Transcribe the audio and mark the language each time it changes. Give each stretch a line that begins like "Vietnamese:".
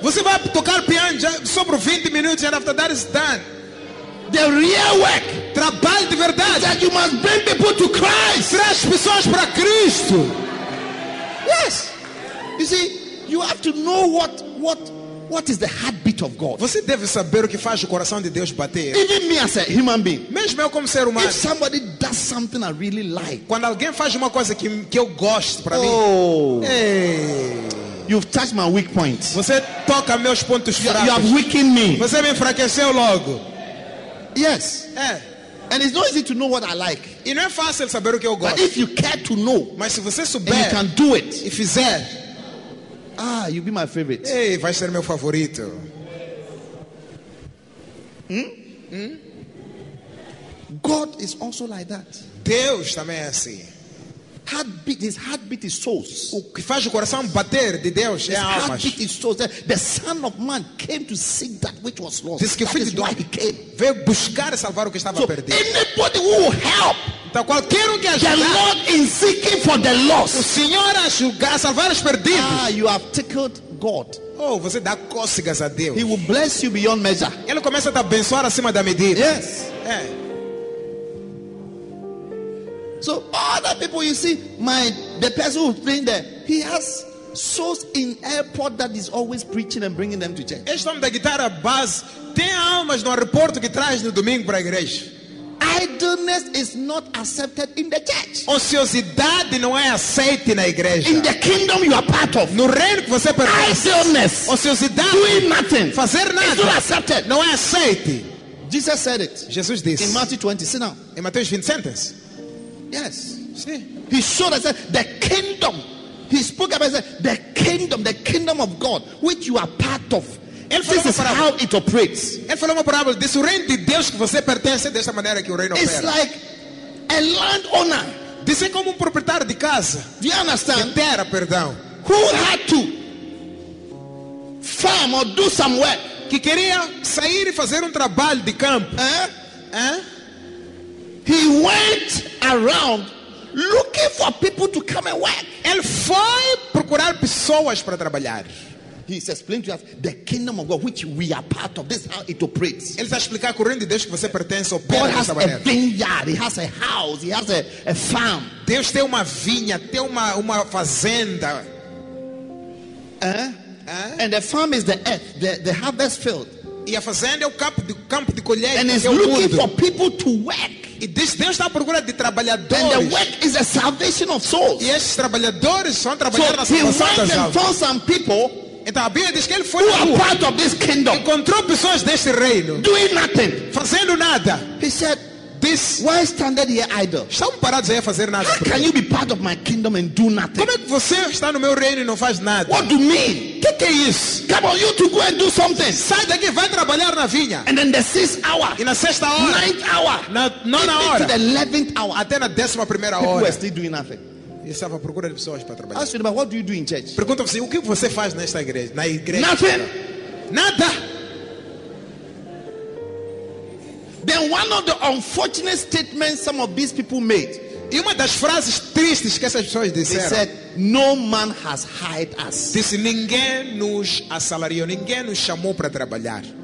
Portuguese: Você vai tocar piano só por 20 minutos
English: and after that is done. The real work,
Portuguese: trabalho de verdade,
English: is that you must bring people to Christ.
Portuguese: Traz pessoas para Cristo.
English: Yes. You see, you have to know what is the heartbeat of God.
Portuguese: Você deve saber o que faz o coração de Deus bater.
English: Even me as a human being.
Portuguese: Mesmo eu como ser humano.
English: If somebody does something I really like.
Portuguese: Quando alguém faz uma coisa que eu gosto para mim.
English: Hey. You've touched my weak point.
Portuguese: Você toca meus pontos fracos.
English: You have weakened me.
Portuguese: Você me enfraqueceu logo.
English: Yes.
Portuguese: É.
English: And it's not easy to know what I like.
Portuguese: E não é fácil saber o que eu gosto.
English: But if you care to know,
Portuguese: mas se você souber,
English: and you can do it, if you say, you'll be my favorite.
Portuguese: Ei, vai ser meu favorito.
English: God is also like that.
Portuguese: Deus também é assim.
English: Heartbeat, his heartbeat is souls.
Portuguese: O que faz o coração bater de Deus
English: his
Portuguese: é almas.
English: Heartbeat is souls. The Son of Man came to seek that which was lost.
Portuguese: Diz que
English: that is do... why he came.
Portuguese: Veio buscar e salvar o que estava
English: so,
Portuguese: perdido.
English: Anybody who will help.
Portuguese: Então qualquer um que ajudar.
English: The Lord in seeking for the lost.
Portuguese: O Senhor ajudar, salvar os perdidos.
English: You have tickled God.
Portuguese: Oh, você dá cócegas a Deus.
English: He will bless you beyond measure.
Portuguese: Ele começa a te abençoar acima da medida.
English: Yes.
Portuguese: É.
English: So other people, you see, the person who's playing there, he has souls in airport that is always preaching and bringing them to church.
Portuguese: Este homem da guitarra base tem almas no aeroporto que traz no domingo para a igreja.
English: Idleness is not accepted in the church.
Portuguese: Ociosidade não é aceita na igreja.
English: In the kingdom you are part of.
Portuguese: No reino que você pertence. Idleness. Ociosidade.
English: Doing nothing.
Portuguese: Fazer nada.
English: It's not accepted.
Portuguese: Não é aceita.
English: Jesus said it.
Portuguese: Jesus disse.
English: In Matthew 20. See now.
Portuguese: Em Mateus 20 sentence.
English: Yes. See. He showed us the kingdom. He spoke about the kingdom of God, which you are part of. This is how it operates.
Portuguese: Ele falou uma parábola. This reino de Deus que você pertence dessa maneira que o reino opera.
English: It's like a landowner.
Portuguese: Disse como proprietário de casa.
English: Do you understand?
Portuguese: De terra, perdão.
English: Who had to farm or do some work?
Portuguese: Que queria sair e fazer trabalho de campo.
English: He went around looking for people to come and work.
Portuguese: Ele foi procurar pessoas para trabalhar.
English: He is explaining to us the kingdom of God, which we are part of. This is how it operates.
Portuguese: Ele está explicando o reino de Deus que você pertence.
English: God has a vineyard. He has a house. He has a farm.
Portuguese: Deus tem uma vinha, tem uma fazenda.
English: And the farm is the earth, the harvest field.
Portuguese: E a fazenda é o campo de colheita.
English: And he's looking for people to work.
Portuguese: E Deus está à procura de trabalhadores.
English: And the work is a salvation of souls.
Portuguese: E esses trabalhadores são trabalhar na salvação das almas.
English: So he went and found some people.
Portuguese: Então a Bíblia diz que ele foi
English: who are part of this kingdom.
Portuguese: Encontrou pessoas deste reino.
English: Doing nothing.
Portuguese: Fazendo nada.
English: He said, "This. Why stand here idle?
Portuguese: Estão parados aí a fazer nada.
English: How can you be part of my kingdom and do nothing?
Portuguese: Como é que você está no meu reino e não faz nada?
English: What do you mean?
Portuguese: Que é isso?
English: Come on, you to go and do something.
Portuguese: Sai daqui, vai trabalhar na vinha.
English: And then the sixth hour.
Portuguese: E na sexta hora.
English: Ninth hour.
Portuguese: Na nona hora.
English: Into the 11th hour.
Portuguese: Até na décima primeira
English: people
Portuguese: hora.
English: People still doing nothing.
Portuguese: Eu estava procurando pessoas para trabalhar.
English: Ask you about what do you do in church?
Portuguese: Pergunta você, o que você faz nesta igreja? Na igreja?
English: Nothing.
Portuguese: Nada.
English: Then one of the unfortunate statements some of these people made.
Portuguese: E uma das frases tristes que essas pessoas disseram.
English: They said, no man has hired us.
Portuguese: Disse, ninguém nos assalariou, ninguém nos chamou para trabalhar.